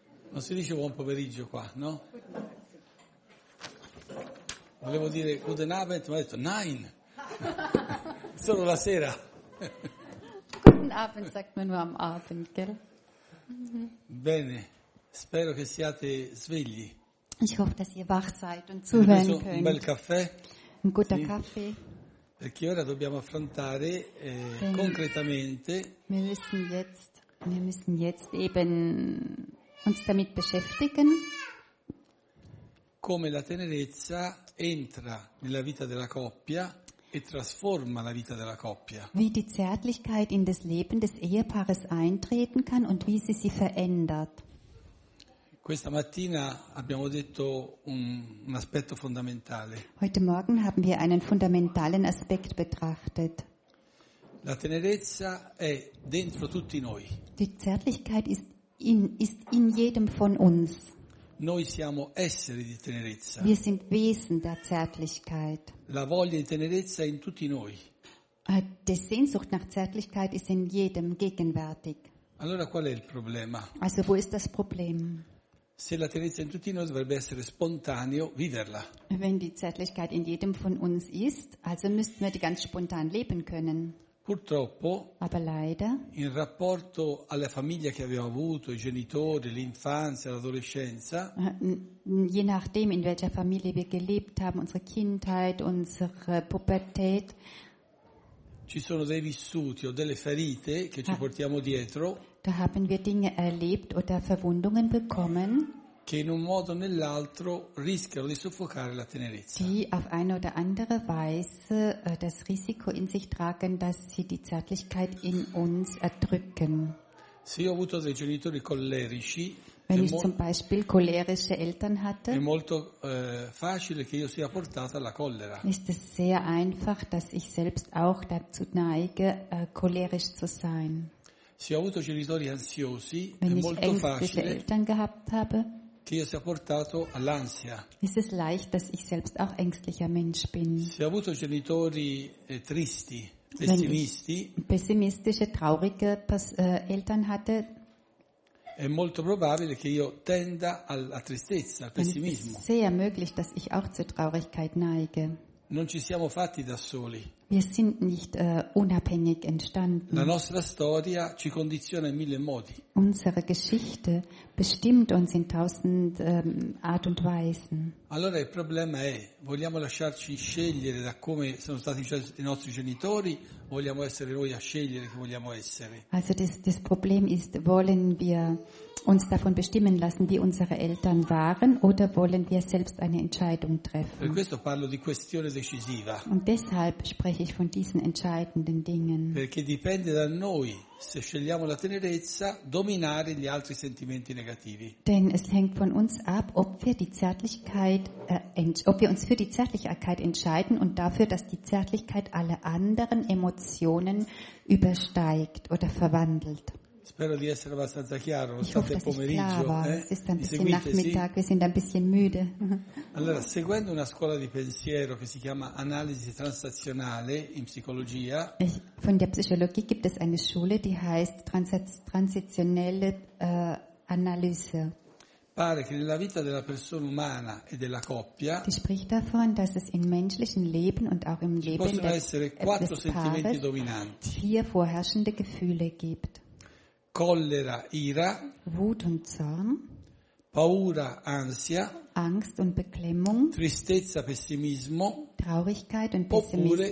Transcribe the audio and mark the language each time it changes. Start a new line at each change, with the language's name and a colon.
Italian: Non si dice buon pomeriggio qua, no? Volevo dire
German: Guten Abend,
Italian: ma ho detto nein. Solo la sera.
German: Guten Abend sagt man nur am Abend, gell?
Italian: Bene. Spero che siate svegli.
German: Ich hoffe, dass ihr wach seid und zuhören könnt.
Italian: Un bel caffè.
German: Un guter Kaffee.
Italian: Perché ora dobbiamo affrontare concretamente.
German: Wir müssen jetzt eben uns damit beschäftigen.
Italian: Come la tenerezza entra nella vita della coppia e trasforma la vita della coppia.
German: Wie die Zärtlichkeit in das Leben des Ehepaares eintreten kann und wie sie verändert.
Italian: Questa mattina abbiamo detto un aspetto fondamentale.
German: Heute Morgen haben wir einen fundamentalen Aspekt betrachtet.
Italian: La tenerezza è dentro tutti noi.
German: Die Zärtlichkeit ist in jedem von uns.
Italian: Noi siamo esseri di tenerezza.
German: Wir sind Wesen der Zärtlichkeit.
Italian: La voglia di tenerezza è in tutti noi.
German: Die Sehnsucht nach Zärtlichkeit ist in jedem gegenwärtig.
Italian: Allora qual è il problema?
German: Also wo ist das Problem?
Italian: Se la tenerezza in tutti noi dovrebbe essere spontaneo viverla.
German: Wenn die Zärtlichkeit in jedem von uns ist, also müssten wir die ganz spontan leben können.
Italian: Purtroppo,
German: aber leider,
Italian: in rapporto alla famiglia che abbiamo avuto, i genitori, l'infanzia, l'adolescenza,
German: je nachdem in welcher Familie wir gelebt haben, unsere Kindheit, unsere Pubertät,
Italian: ci sono dei vissuti o delle ferite che ci portiamo dietro.
German: Da haben wir Dinge erlebt oder Verwundungen bekommen,
Italian: che in un modo o nell'altro rischiano di soffocare la tenerezza.
German: Die auf eine oder andere Weise das Risiko in sich tragen, dass sie die Zärtlichkeit in uns erdrücken.
Italian: Se io ho avuto dei genitori collerici,
German: wenn ich zum Beispiel cholerische Eltern hatte,
Italian: è molto facile che io sia portata alla collera.
German: Ist es sehr einfach, dass ich selbst auch dazu neige, cholerisch zu sein.
Italian: Se ho avuto genitori ansiosi,
German: wenn
Italian: è molto facile
German: Eltern gehabt habe,
Italian: che io sia portato all'ansia.
German: Ist es leicht, dass ich selbst auch ängstlicher Mensch bin.
Italian: Se ho avuto genitori tristi, pessimisti,
German: pessimistische, traurige Eltern hatte,
Italian: è molto probabile che io tenda alla tristezza, al pessimismo.
German: Es ist sehr möglich, dass ich auch zur Traurigkeit neige.
Italian: Non ci siamo fatti da soli.
German: Wir sind nicht unabhängig entstanden.
Italian: La nostra storia ci condiziona in mille modi.
German: Unsere Geschichte bestimmt uns in tausend Art und Weisen.
Italian: Allora il problema è, vogliamo lasciarci scegliere da come sono stati i nostri genitori, o vogliamo essere noi a scegliere chi vogliamo essere?
German: Also das Problem ist, wollen wir uns davon bestimmen lassen, wie unsere Eltern waren, oder wollen wir selbst eine Entscheidung treffen?
Italian: Per questo parlo di questione decisiva.
German: Und deshalb spreche ich von diesen entscheidenden Dingen.
Italian: Perché dipende da noi, se scegliamo la tenerezza, dominare gli altri sentimenti negativi.
German: Denn es hängt von uns ab, ob wir uns für die Zärtlichkeit entscheiden und dafür, dass die Zärtlichkeit alle anderen Emotionen übersteigt oder verwandelt.
Italian: Spero di essere abbastanza chiaro,
German: ich hoffe, dass ich klar war. Es ist ein bisschen Nachmittag,
Italian: sì?
German: Wir sind ein bisschen müde.
Italian: Allora, seguendo una scuola di pensiero che si chiama analisi transazionale in psicologia.
German: Von der Psychologie gibt es eine Schule, die heißt transitionelle Analyse.
Italian: Pare che nella vita della persona umana e della coppia.
German: Die spricht davon, dass es in menschlichen Leben und auch im Leben
Italian: possono essere quattro sentimenti dominanti.
German: Vier vorherrschende Gefühle gibt.
Italian: Collera, ira,
German: Wut und Zorn,
Italian: paura, ansia,
German: Angst und Beklemmung,
Italian: tristezza, pessimismo,
German: Traurigkeit und Pessimismus,